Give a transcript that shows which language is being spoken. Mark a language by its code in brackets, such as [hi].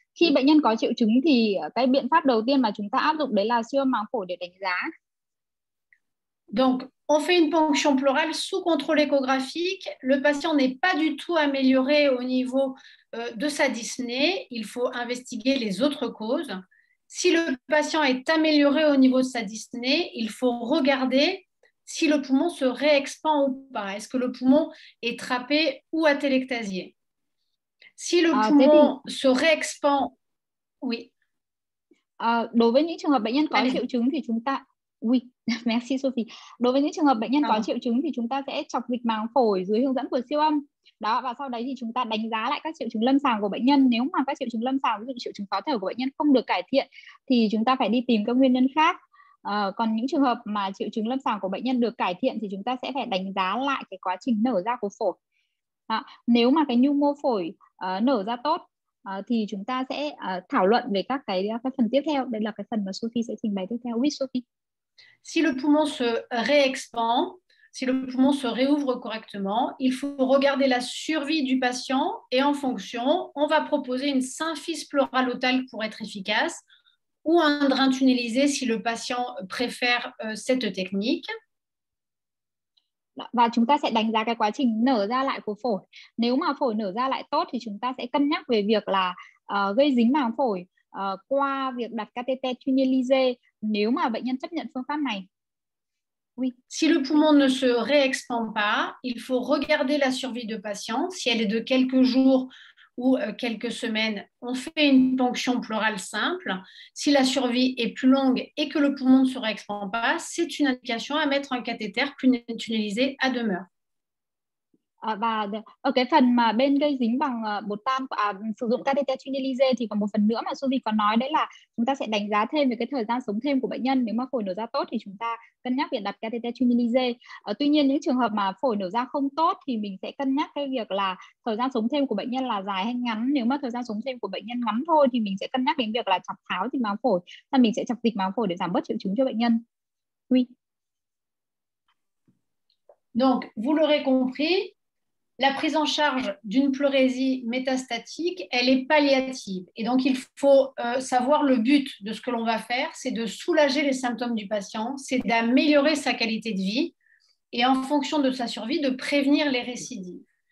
[vi] Khi bệnh nhân có triệu chứng thì cái biện pháp đầu tiên mà chúng ta áp dụng đấy là siêu âm màng phổi để đánh giá. [fr] Donc on fait une ponction pleurale sous contrôle échographique. Le patient n'est pas du tout amélioré au niveau de sa dyspnée. Il faut investiguer les autres causes. Si le patient est amélioré au niveau de sa dyspnée, il faut regarder si le poumon se réexpand ou pas. Est-ce que le poumon est trapé ou atélectasié? Si le poumon se réexpand, oui. [vi] Đối với những trường hợp bệnh nhân có triệu chứng thì chúng ta... [fr] Oui, merci Sophie. [vi] Đối với những trường hợp bệnh nhân có triệu chứng thì chúng ta sẽ chọc dịch màng phổi dưới hướng dẫn của siêu âm. Đó, và sau đấy thì chúng ta đánh giá lại các triệu chứng lâm sàng của bệnh nhân. Nếu mà các triệu chứng lâm sàng, ví dụ triệu chứng khó thở của bệnh nhân không được cải thiện thì chúng ta phải đi tìm các nguyên nhân khác. Còn những trường hợp mà triệu chứng lâm sàng của bệnh nhân được cải thiện thì chúng ta sẽ phải đánh giá lại cái quá trình nở ra của phổi. Đó, nếu mà cái nhu mô phổi nở ra tốt thì chúng ta sẽ thảo luận về các phần tiếp theo. Đây là cái phần mà Sophie sẽ trình bày tiếp theo. [fr] Oui, Sophie. Si le poumon se réexpand, si le poumon se réouvre correctement, il faut regarder la survie du patient et en fonction, on va proposer une symphyse pleurale otale pour être efficace ou un drain tunnelisé si le patient préfère cette technique. [vi] Và chúng ta sẽ đánh giá cái quá trình nở ra lại của phổi. Nếu mà phổi nở ra lại tốt thì chúng ta sẽ cân nhắc về việc là gây dính màng phổi qua việc đặt catheter tunnelisé. Nếu mà bệnh nhân chấp nhận phương pháp này. [fr] Oui. Si le poumon ne se réexpand pas, il faut regarder la survie de patient. Si elle est de quelques jours ou quelques semaines, on fait une ponction pleurale simple. Si la survie est plus longue et que le poumon ne se réexpand pas, c'est une indication à mettre un cathéter tunnelisé à demeure. [vi] Và ở cái phần mà bên gây dính bằng bột tam sử dụng catheter tunnelisé thì còn một phần nữa mà Suvi có nói, đấy là chúng ta sẽ đánh giá thêm về cái thời gian sống thêm của bệnh nhân. Nếu mà phổi nở ra tốt thì chúng ta cân nhắc việc đặt catheter tunnelisé. Tuy nhiên những trường hợp mà phổi nở ra không tốt thì mình sẽ cân nhắc cái việc là thời gian sống thêm của bệnh nhân là dài hay ngắn. Nếu mà thời gian sống thêm của bệnh nhân ngắn thôi thì mình sẽ cân nhắc đến việc là chọc tháo dịch màng phổi, là mình sẽ chọc dịch màng phổi để giảm bớt triệu chứng cho bệnh nhân. [fr] Oui. Donc, vous l'aurez compris, la prise en charge d'une pleurésie métastatique, elle est palliative. Et donc, il faut savoir le but de ce que l'on va faire, c'est de soulager les symptômes du patient, c'est d'améliorer sa qualité de vie et en fonction de sa survie, de prévenir les récidives.